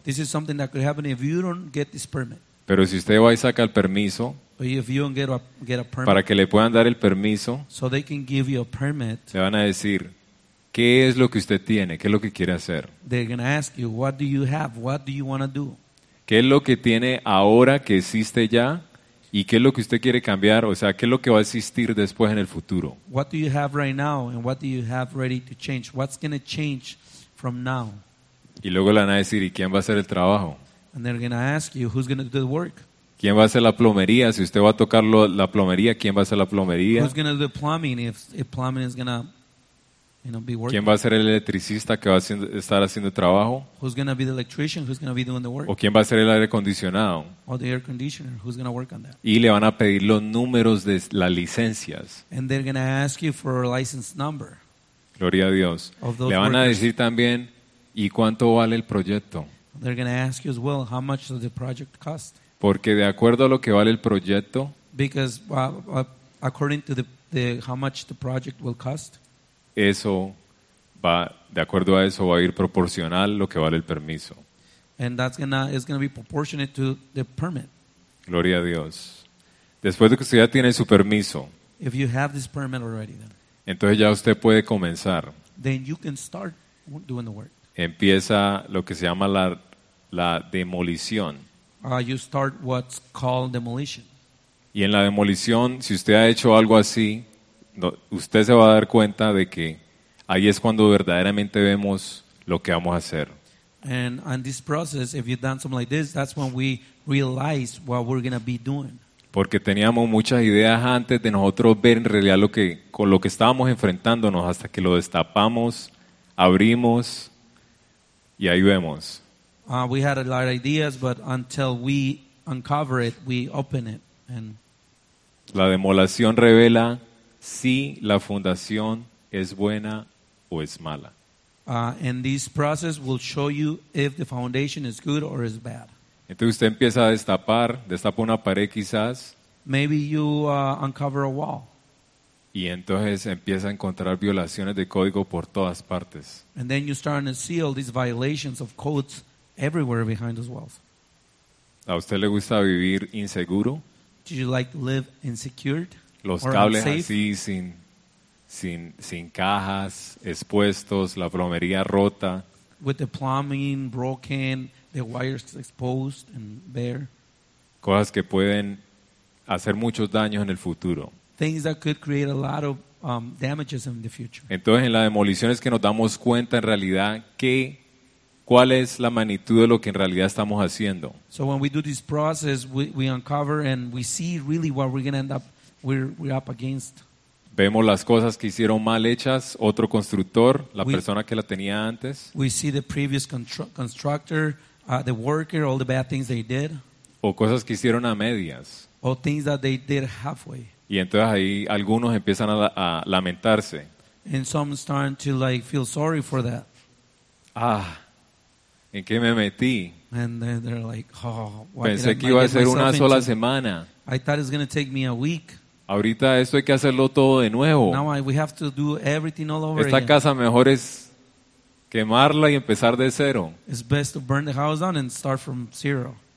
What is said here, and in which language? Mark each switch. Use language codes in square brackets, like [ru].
[en] This is something that could happen if you don't get this permit. [es] Pero si usted va y saca el permiso, [en] if you don't get a permit, [es] para que le puedan dar el permiso, [en] so they can give you a permit, [es] le van a decir, ¿qué es lo que usted tiene? ¿Qué es lo que quiere hacer? [en] They're going to ask you, what do you have? What do you want to do? [es] ¿Qué es lo que tiene ahora que existe ya? ¿Y qué es lo que usted quiere cambiar? O sea, ¿qué es lo que va a existir después en el futuro? [en] What do you have right now and what do you have ready to change? What's going to change from now? [es] Y luego le van a decir, ¿y quién va a hacer el trabajo? [en] And they're going to ask you, who's going to do the work? [es] ¿Quién va a hacer la plomería? Si usted va a tocar la plomería, ¿quién va a hacer la plomería? [en] Who's going to do the plumbing if plumbing is going to, you know, be working? [es] ¿Quién va a ser el electricista que va a estar haciendo el trabajo? [en] Who's going to be the electrician? Who's going to be doing the work? [es] ¿O quién va a ser el aire acondicionado? [en] Or the air conditioner? Who's going to work on that? [es] Y le van a pedir los números de las licencias. [en] And they're going to ask you for a license number. [es] Gloria a Dios. Le van [en] workers. [es] A decir también, ¿y cuánto vale el proyecto? [en] They're going to ask you as well, how much does the project cost? [es] Porque de acuerdo a lo que vale el proyecto. [en] Because according to the how much the project will cost. [es] Eso va, de acuerdo a eso, va a ir proporcional lo que vale el permiso. [en] And that's it's gonna be proportionate to the permit. [es] Gloria a Dios. Después de que usted ya tiene su permiso, [en] if you have this permit already, then, [es] entonces ya usted puede comenzar. [en] Then you can start doing the work. [es] Empieza lo que se llama la demolición. [en] You start what's called demolition. [es] Y en la demolición, si usted ha hecho algo así, no, usted se va a dar cuenta de que ahí es cuando verdaderamente vemos lo que vamos a hacer. [en] And this process, if you've done something like this, that's when we realize what we're going to be doing. [es] Porque teníamos muchas ideas antes de nosotros ver en realidad lo que estábamos enfrentándonos hasta que lo destapamos, abrimos y ahí vemos. [en] We had a lot of ideas, but until we uncover it, we open it. And [es] la demolición revela si la fundación es buena o es mala. [en] And this process will show you if the foundation is good or is bad. [es] Entonces usted empieza a destapa una pared quizás. [en] Maybe you uncover a wall. [es] Y entonces empieza a encontrar violaciones de código por todas partes. [en] And then you start to see all these violations of codes everywhere behind those walls. [es] ¿A usted le gusta vivir inseguro? [en] Do you like to live insecure? [es] Los cables así, sin cajas, expuestos, la plomería rota. [en] With the plumbing broken, the wires exposed and bare. [es] Cosas que pueden hacer muchos daños en el futuro. [en] Things that could create a lot of damages in the future. [es] Entonces, en la demolición es que nos damos cuenta en realidad cuál es la magnitud de lo que en realidad estamos haciendo. [en] So when we do this process, we uncover and we see really what we're going to end up. We're up against. [es] Vemos las cosas que hicieron mal hechas otro constructor, la persona que la tenía antes. [en] We see the previous constructor, the worker, all the bad things they did. [es] O cosas que hicieron a medias. [en] Or things that they did halfway. [es] Y entonces ahí algunos empiezan a lamentarse. [en] And some start to like feel sorry for that. [es] Ah, ¿en qué me metí? [en] And then they're like, oh, [es] pensé que iba a ser una sola semana. [en] I thought it's going to take me a week. [es] Ahorita esto hay que hacerlo todo de nuevo. [en] Now we have to do everything all over. [es] Esta casa mejor es quemarla y empezar de cero. [en] It's best to burn the house down and start from zero.